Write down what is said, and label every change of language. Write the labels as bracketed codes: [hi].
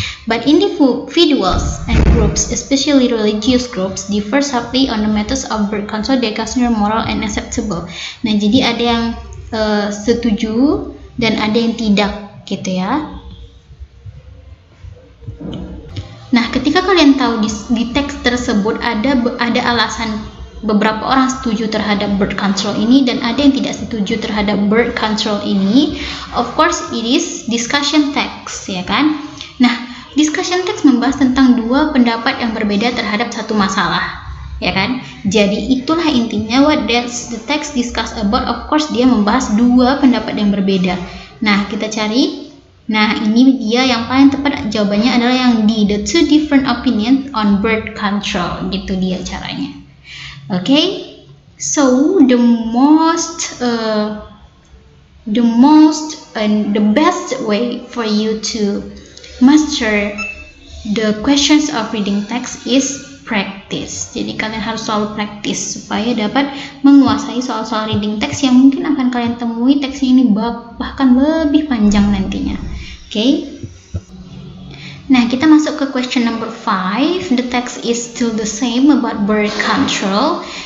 [en] But individuals and groups, especially religious groups, differ sharply on the methods of birth control that consider moral and acceptable. [id] Nah, jadi ada yang setuju dan ada yang tidak, gitu ya. Nah, ketika kalian tahu di teks tersebut ada alasan beberapa orang setuju terhadap birth control ini dan ada yang tidak setuju terhadap birth control ini, [en] of course it is discussion text, [id] ya kan? Nah, discussion text membahas tentang dua pendapat yang berbeda terhadap satu masalah, ya kan? Jadi itulah intinya [en] what does the text discuss about, [id] of course dia membahas dua pendapat yang berbeda. Nah, kita cari. Nah, ini dia yang paling tepat jawabannya adalah yang D, [en] the two different opinions on birth control, [id] gitu dia caranya. [en] Okay, so the best way for you to master the questions of reading text is practice. [id] Jadi kalian harus selalu practice supaya dapat menguasai soal-soal reading text yang mungkin akan kalian temui teksnya ini bahkan lebih panjang nantinya. Okay. Nah, kita masuk ke [en] question number 5. The text is still the same about birth control.